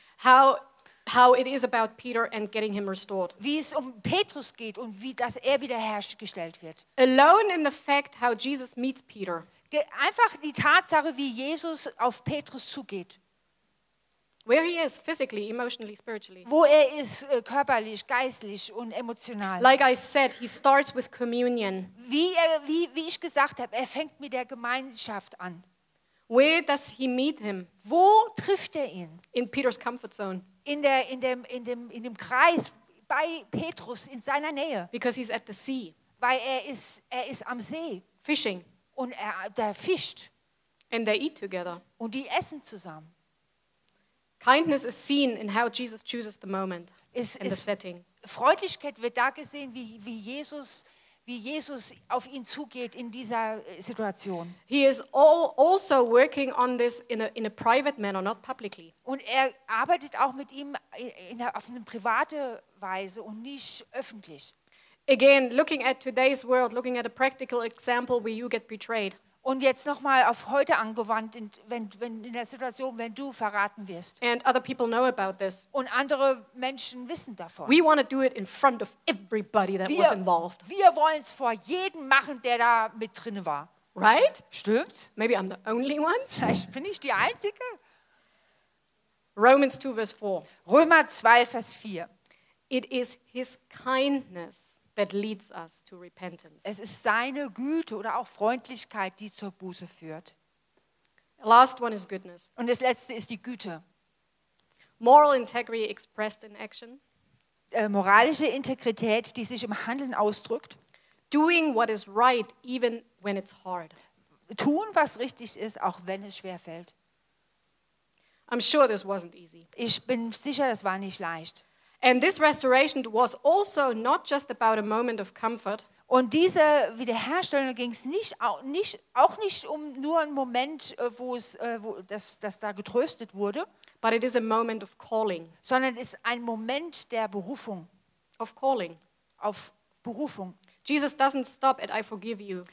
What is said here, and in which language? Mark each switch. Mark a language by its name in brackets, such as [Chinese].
[English] How it is about Peter and getting him restored. [German] Wie es um Petrus geht und wie dass er wiederhergestellt wird. [English] Alone in the fact how Jesus meets Peter. [German] Einfach die Tatsache, wie Jesus auf Petrus zugeht. [English] Where he is physically, emotionally, spiritually. [German] Wo er ist körperlich, geistlich und emotional. [English] Like I said, he starts with communion. [German] Wie ich gesagt habe, er fängt mit der Gemeinschaft an. [English] Where does he meet him? [German] Wo trifft er ihn? [English] In Peter's comfort zone. [German] In dem Kreis bei Petrus in seiner Nähe. [English] Because he's at the sea. [German] Weil er ist am See. [English] Fishing. [German] Und er fischt. [English] And they eat together. [German] Und die essen zusammen. [English] Kindness is seen in how Jesus chooses the moment in the setting. [German] Freundlichkeit wird da gesehen, wie Jesus auf ihn zugeht in dieser Situation. [English] He is also working on this in a private manner, not publicly. [German] Und er arbeitet auch mit ihm auf eine private Weise und nicht öffentlich. [English] Again, looking at today's world, looking at a practical example where you get betrayed. [German] Und jetzt nochmal auf heute angewandt, wenn in der Situation, wenn du verraten wirst. [English] And other people know about this. [German] Und andere Menschen wissen davon. [English] We want to do it in front of everybody that was involved. [German] Wir wollen es vor jedem machen, der da mit drin war. [English] Right? [German] Stimmt. [English] Maybe I'm the only one. [German] Vielleicht bin ich die Einzige. [English] Romans 2, verse 4. [German] Römer 2, Vers 4. [English] It is his kindness that leads us to repentance. [German] Es ist seine Güte oder auch Freundlichkeit, die zur Buße führt. [English] Last one is goodness. [German] Und das letzte ist die Güte. [English] Moral integrity expressed in action. [German] Moralische Integrität, die sich im Handeln ausdrückt. [English] Doing what is right even when it's hard. [German] Tun, was richtig ist, auch wenn es schwer fällt. [English] I'm sure this wasn't easy. [German] Ich bin sicher, das war nicht leicht. [English] And this restoration was also not just about a moment of comfort. [German] Und diese Wiederherstellung ging es nicht um nur einen Moment, wo das da getröstet wurde. [English] But it is a moment of calling. [German] Sondern es ist ein Moment der Berufung. [English] Of calling. [German] Auf Berufung. [English] Jesus doesn't stop at I forgive you.